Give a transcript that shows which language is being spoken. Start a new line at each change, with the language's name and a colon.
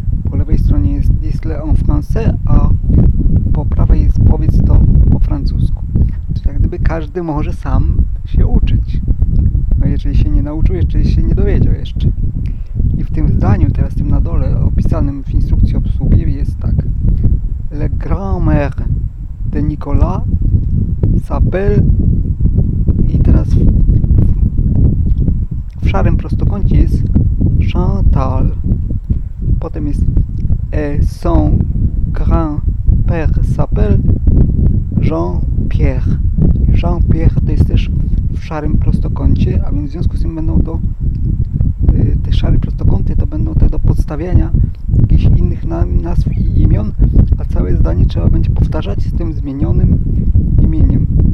Polish: Po lewej stronie jest
French: Dis-le en français,
Polish: a po prawej jest powiedz to po francusku. Czyli jak gdyby każdy może sam się uczyć. No jeżeli się nie nauczył, jeżeli się nie dowiedział jeszcze. I w tym zdaniu, teraz tym na dole, opisanym w instrukcji obsługi, jest tak.
French: Le grand-mère de Nicolas s'appelle...
Polish: I teraz w szarym prostokącie jest Chantal. Potem jest
French: son grand-père s'appelle Jean-Pierre.
Polish: Jean-Pierre to jest też w szarym prostokącie, a więc w związku z tym będą to te szare prostokąty, to będą te do podstawiania jakichś innych nazw i imion, a całe zdanie trzeba będzie powtarzać z tym zmienionym imieniem.